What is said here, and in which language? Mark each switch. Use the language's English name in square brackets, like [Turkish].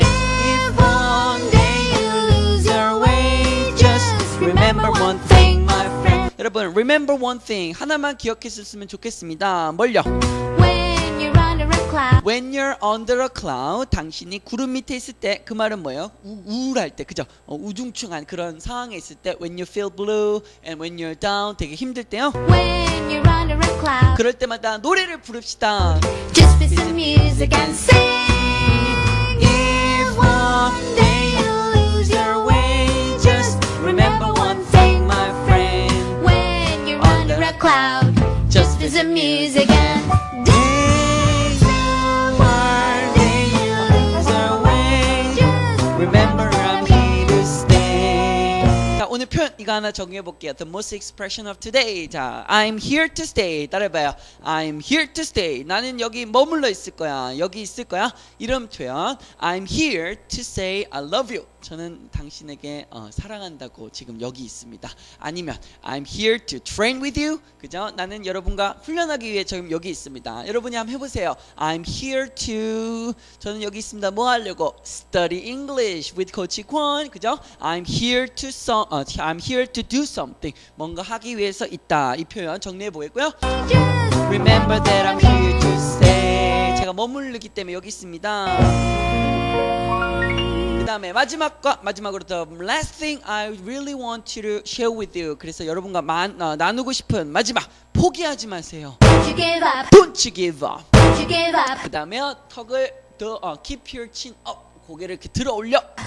[English] If one day you lose your way, just remember one thing, my friend. [Korean] 여러분, [English] remember one thing. [Korean] 하나만 기억했었으면 좋겠습니다. 뭘요? [English] When you run around. cloud. When you're under a cloud, [Korean] 당신이 구름 밑에 있을 때 그 말은 뭐예요? 우울할 때, 그죠? 우중충한 그런 상황에 있을 때 [English] when you feel blue and when you're down [Korean] 되게 힘들 때요. [English] When you're under a cloud. [Korean] 그럴 때마다 노래를 부릅시다. [English] Just be some music and sing. If one day you lose your way, just remember one thing, my friend. When you're under a cloud. Some music and dance. If one day you lose our way, just remember I'm here to stay. [Korean] 자, 오늘 표현 이거 하나 적용해 볼게요. [English] The most expression of today. 자, I'm here to stay. [Korean] 따라해봐요. [English] I'm here to stay. [Korean] 나는 여기 머물러 있을 거야. 여기 있을 거야. 이런 표현. [English] I'm here to say I love you. [Korean] 저는 당신에게 사랑한다고 지금 여기 있습니다. [English] 아니면 I'm here to train with you. [Korean] 그죠? 나는 여러분과 훈련하기 위해 지금 여기 있습니다. 여러분이 한번 해보세요. [English] I'm here to [Korean] 저는 여기 있습니다. 뭐 하려고? [English] Study English with Coach Kwon. 그죠? I'm here to some. I'm here to do something. [Korean] 뭔가 하기 위해서 있다. 이 표현 정리해 보겠고요. [English] Remember that I'm here to stay. [Korean] 제가 머무르기 때문에 여기 있습니다. 그 다음에 마지막으로 [English] the last thing I really want to share with you. [Korean] 그래서 여러분과 나누고 싶은 마지막 포기하지 마세요. [English] Don't you give up. Don't you give up. Don't you give up. [Korean] 그 다음에 턱을 더 [English] keep your chin up. [Korean] 고개를 이렇게 들어 올려.